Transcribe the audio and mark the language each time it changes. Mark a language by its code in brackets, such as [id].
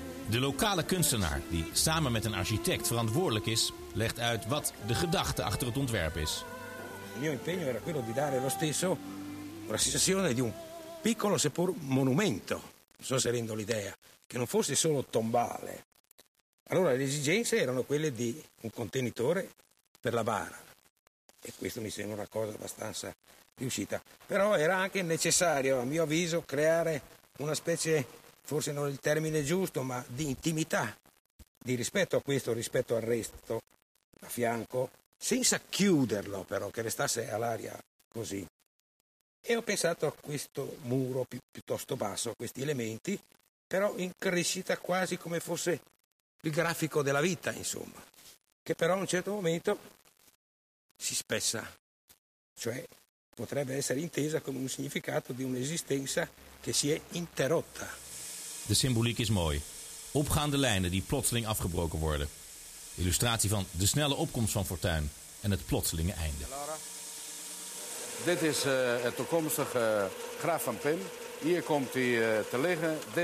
[nl] De lokale kunstenaar, die samen met een architect verantwoordelijk is, legt uit wat de gedachte achter het ontwerp is. [it] Mio impegno era quello di dare lo stesso la sensazione di un piccolo seppur monumento. Non so se rendo l'idea che non fosse solo tombale. Allora le esigenze erano quelle di un contenitore per la bara. E questo mi sembra una cosa abbastanza riuscita. Però era anche necessario, a mio avviso, creare una specie, forse non il termine giusto, ma di intimità, di rispetto a questo, rispetto al resto, a fianco, senza chiuderlo però, che restasse all'aria così. E ho pensato a questo muro piuttosto basso, a questi elementi, però in crescita quasi come fosse il grafico della vita, insomma, che però a un certo momento si spezza, cioè potrebbe essere intesa come un significato di un'esistenza che si è interrotta. [nl] De symboliek is mooi. Opgaande lijnen die plotseling afgebroken worden. Illustratie van de snelle opkomst van Fortuyn en het plotselinge einde. Dit is het toekomstige graf van Pim. Hier komt hij te liggen.